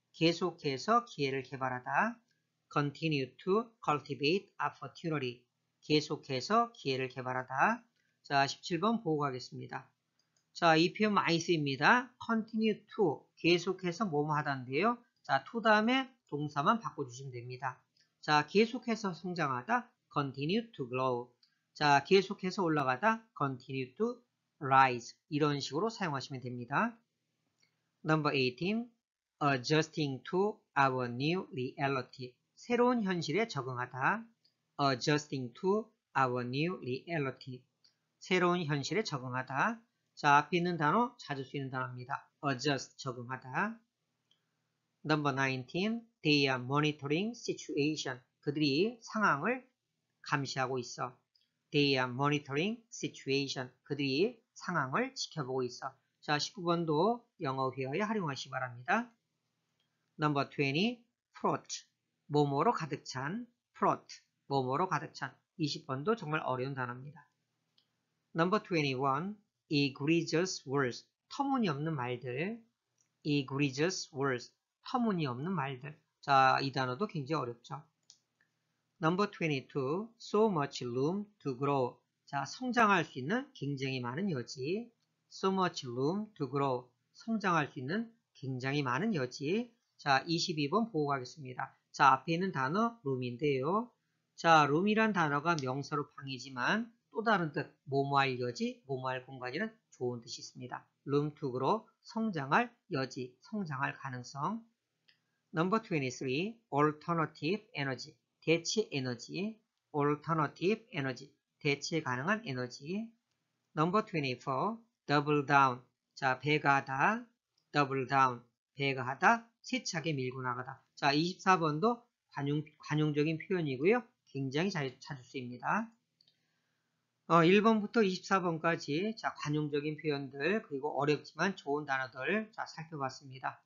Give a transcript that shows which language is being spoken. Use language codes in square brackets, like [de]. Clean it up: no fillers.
[ko] 계속해서 기회를 개발하다. [en] continue to cultivate opportunity. [ko] 계속해서 기회를 개발하다. 자, 17번 보고 가겠습니다. 자, 이 표현 많이 쓰입니다. [en] continue to, [ko] 계속해서 뭐뭐 하다인데요. 자, to 다음에 동사만 바꿔주시면 됩니다. 자, 계속해서 성장하다, [en] continue to grow. [ko] 자, 계속해서 올라가다, [en] continue to rise. [ko] 이런 식으로 사용하시면 됩니다. [en] number 18, adjusting to our new reality. [ko] 새로운 현실에 적응하다, [en] adjusting to our new reality. [ko] 새로운 현실에 적응하다. 자, 앞에 있는 단어 자주 쓰이는 단어입니다. adjust, 적응하다. [en] Number 19, they are monitoring situation. [ko] 그들이 상황을 감시하고 있어. [en] They are monitoring situation. [ko] 그들이 상황을 지켜보고 있어. 자, 19번도 영어 회화에 활용하시기 바랍니다. Number 20, fraught. 뭐뭐로 가득 찬. fraught. 뭐뭐로 가득 찬. 20번도 정말 어려운 단어입니다. [en] Number 21, egregious words, [ko] 터무니없는 말들. [en] egregious words, [ko] 터무니없는 말들. 자, 이 단어도 굉장히 어렵죠. [en] Number 22, so much room to grow. [ko] 자, 성장할 수 있는 굉장히 많은 여지. [en] so much room to grow, [ko] 성장할 수 있는 굉장히 많은 여지. 자, 22번 보고 가겠습니다. 자, 앞에 있는 단어 room인데요. 자, room이란 단어가 명사로 방이지만 또 다른 뜻, 뭐뭐 할 여지, 뭐뭐 할 공간이란 좋은 뜻이 있습니다. 룸투그로 성장할 여지, 성장할 가능성. [en] Number 23, alternative energy, [ko] 대체 에너지. [en] Alternative energy, [ko] 대체 가능한 에너지. [en] Number 24, double down, [ko] 자, 배가다, [en] double down, [ko] 배가하다, 세차게 밀고 나가다. 자, 24번도 관용적인 표현이고요. 굉장히 잘 찾을 수 있습니다. 1번부터 24번까지 자 관용적인 표현들 그리고 어렵지만 좋은 단어들 자 살펴봤습니다.